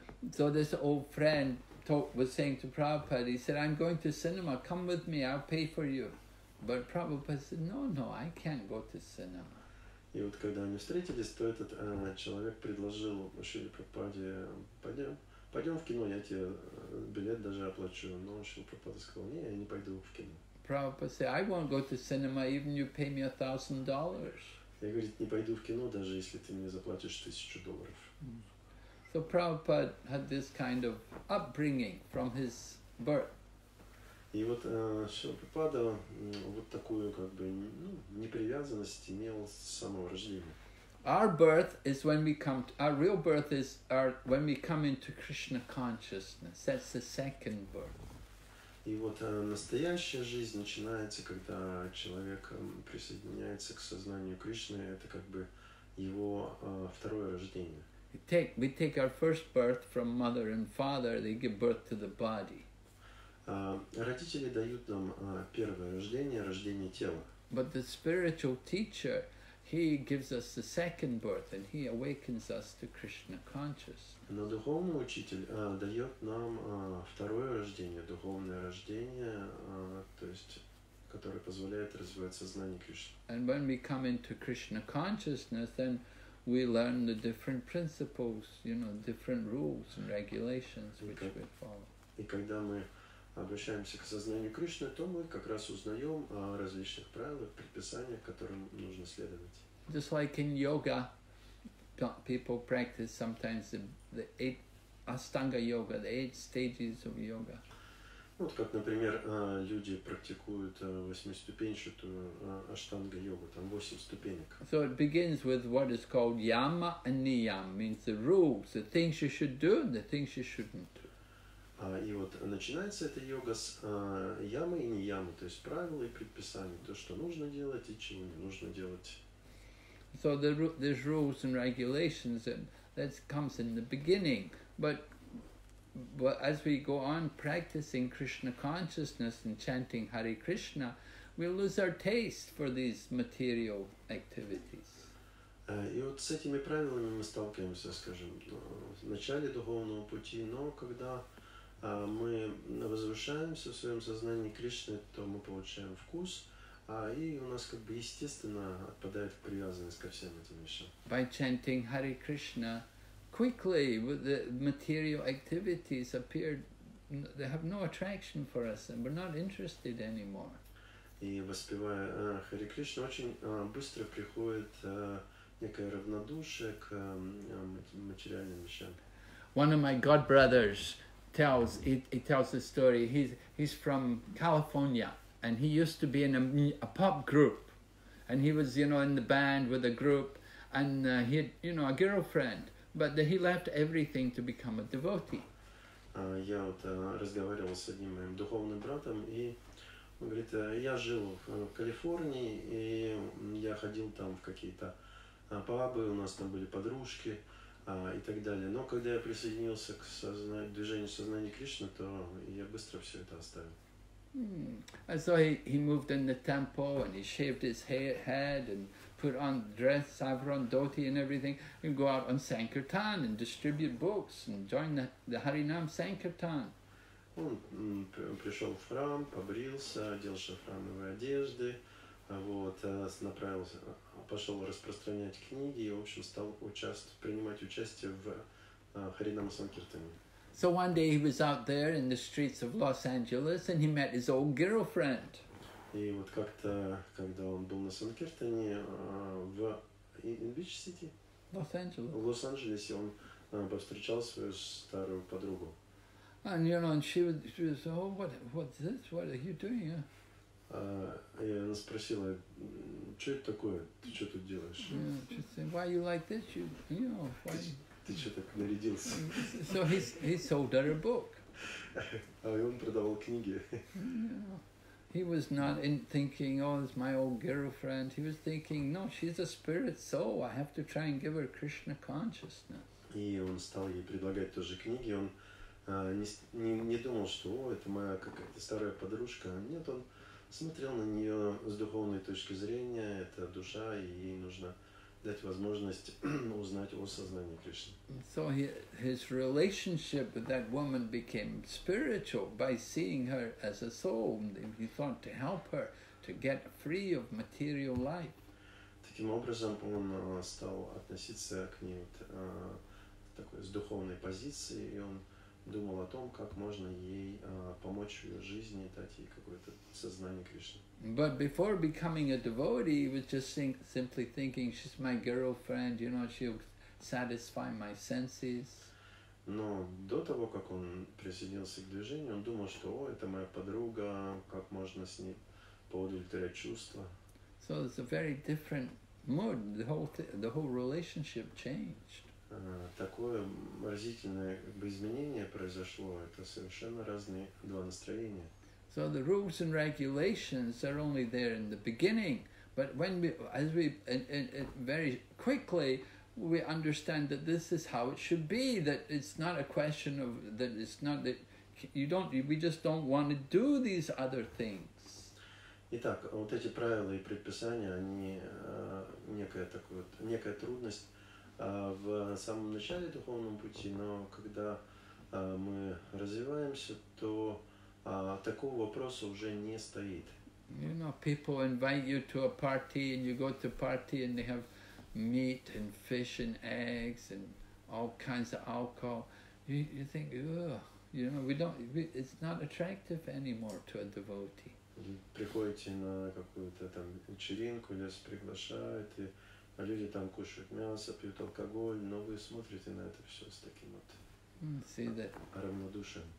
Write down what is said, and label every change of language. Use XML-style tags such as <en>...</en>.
<en>So this old friend was saying to Prabhupada, he said, I'm going to cinema, come with me, I'll pay for you. But Prabhupada said, no, I can't go to cinema.</en> <ru>И вот когда они встретились, то этот человек предложил Шиле Прабхупаде, пойдем в кино, я тебе билет даже оплачу. Но Шиле Прабхупада сказал, нет, я не пойду в кино.</ru> <en>Prabhupada said, I won't go to cinema, even you pay me $1,000.</en> <ru>Я говорю, не пойду в кино, даже если ты мне заплатишь $1,000.</ru> <en>So Prabhupada had this kind of upbringing from his birth.</en> <ru>И вот Шрила Прабхупада вот такую как бы непривязанность имел с самого рождения.</ru> <en>Our birth is when we come to, our real birth is our when we come into Krishna consciousness. That's the second birth.</en> <ru>И вот настоящая жизнь начинается, когда человек присоединяется к сознанию Кришны. Это как бы его второе рождение.</ru> <en>We take our first birth from mother and father. They give birth to the body.</en> <ru>Родители дают нам первое рождение, рождение тела.</ru> <en>But the spiritual teacher, he gives us the second birth, and he awakens us to Krishna consciousness.</en> <ru>Но духовный учитель дает нам второе рождение, духовное рождение, то есть, которое позволяет развивать сознание Кришны.</ru> <en>And when we come into Krishna consciousness, then we learn the different principles, you know, different rules and regulations which we follow.</en> <ru>И когда мы обращаемся к сознанию Кришны, то мы как раз узнаем о различных правилах, предписаниях, которым нужно следовать.</ru> <en>Just like in yoga, people practice sometimes the eight Ashtanga yoga, the eight stages of yoga.</en> <ru>Вот как, например, люди практикуют восьмиступенчатую аштанга йогу, там 8 ступенек.</ru> <en>So it begins with what is called yama and niyama, means the rules, the things you should do and the things you shouldn't do.</en> <ru>И вот начинается эта йога с ямы и ниямы, то есть правила и предписания, то, что нужно делать и чего не нужно делать.</ru> <en>So there's rules and regulations, and that comes in the beginning, but as we go on practicing Krishna consciousness and chanting Hare Krishna, we lose our taste for these material activities.</en> <ru>И вот с этими правилами мы сталкиваемся, скажем, в начале духовного пути, но когда мы возвышаемся в своем сознании Кришны, то мы получаем вкус И у нас как бы естественно отпадает привязанность ко всем этим вещам.</ru> <en>By chanting Hare Krishna quickly, the material activities appear, they have no attraction for us, and we're not interested anymore.</en> <ru>И воспевая Hare Krishna, очень быстро приходит некое равнодушие к материальным вещам.</ru> <en>One of my god brothers tells he tells a story. He's from California. And he used to be in a pop group, and he was, you know, in the band with a group, and he had, you know, a girlfriend, but he left everything to become a devotee.</en> <ru>Я вот разговаривал с одним моим духовным братом, и он говорит, я жил в Калифорнии, и я ходил там в какие-то пабы, у нас там были подружки и так далее. Но когда я присоединился к движению сознания Кришны, то я быстро все это оставил.</ru> <en>And so he moved in the temple and he shaved his head and put on dress, saffron, dhoti and everything and go out on Sankirtan and distribute books and join the Harinam Sankirtan.</en> <ru>Он пришел в храм, побрился, одел шафрановые одежды, вот, направился, пошел распространять книги и, в общем, стал принимать участие в Харинам Санкиртане.</ru> <en>So one day he was out there in the streets of Los Angeles and he met his old girlfriend.</en> <ru>И вот как-то, когда он был на Санкиртане, в Beach City?</ru> <en>Los Angeles.</en> <ru>В Лос-Анджелесе он повстречал свою старую подругу.</ru> <en>And you know, and she was, oh, what's this? What are you doing?</en> <ru>И она спросила, что это такое? Ты что тут делаешь?</ru> <en>Yeah, she said, why are you like this? You know, why...</en> <ru>Ты что так нарядился?</ru> <en>So he sold her a book.</en> <ru>А он продавал книги.</ru> <en>He was not in thinking, oh, it's my old girlfriend. He was thinking, no, she's a spirit soul. I have to try and give her Krishna consciousness.</en> <ru>И он стал ей предлагать тоже книги. Он не думал, что, о, это моя какая-то старая подружка. Нет, он смотрел на нее с духовной точки зрения. Это душа, и ей нужно дать возможность узнать о сознании Кришны.</ru> <en>So his relationship with that woman became spiritual by seeing her as a soul. He thought to help her to get free of material life.</en> <ru>Таким образом, он стал относиться к ней такой с духовной позиции, и он думал о том, как можно ей помочь в ее жизни, дать ей какое-то сознание Кришны.</ru> <en>But before becoming a devotee, he was just simply thinking, she's my girlfriend, you know, she'll satisfy my senses.</en> <ru>Но до того, как он присоединился к движению, он думал, что, о, это моя подруга, как можно с ней поудовлетворять чувства.</ru> <en>So it's a very different mood, the whole relationship changed.</en> <ru>Такое разительное изменение произошло, это совершенно разные два настроения.</ru> <en>So the rules and regulations are only there in the beginning, but when we, as we, and very quickly, we understand that this is how it should be, that it's not a question of, that it's not that, we just don't want to do these other things.</en> <ru>Итак, вот эти правила и предписания, они некая такая вот, некая трудность в самом начале духовном пути, но когда мы развиваемся, то такого вопроса уже не стоит.</ru> <en>You know, people invite you to a party, and you go to party, and they have meat and fish and eggs and all kinds of alcohol. You think, you know, it's not attractive anymore to a devotee.</en> <ru>Приходите на какую-то там вечеринку, вас приглашают, и люди там кушают мясо, пьют алкоголь, но вы смотрите на это все с таким вот равнодушием.</ru>